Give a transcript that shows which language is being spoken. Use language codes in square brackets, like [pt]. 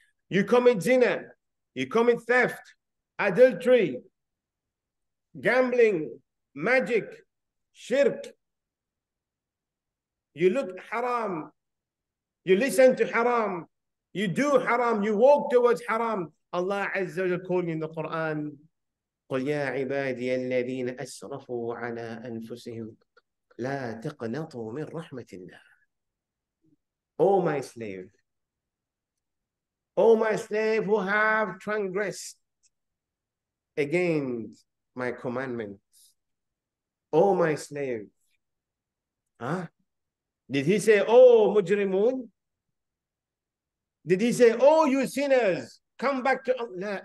[en] You commit zina, you commit theft, adultery, gambling, magic, shirk. You look haram, you listen to haram, you do haram, you walk towards haram. Allah Azza wa Jal called in the Quran, [ar] قُلْ يَا عِبَادِيَ الَّذِينَ أَسْرَفُوا عَلَىٰ أَنفُسِهِمْ لَا تَقْنَطُوا مِنْ رَحْمَةِ اللَّهِ. [en] Oh my slave, oh my slave who have transgressed against my commandments. Oh my slave. Huh? Did he say, oh mujrimun? Did he say, oh you sinners, come back to Allah?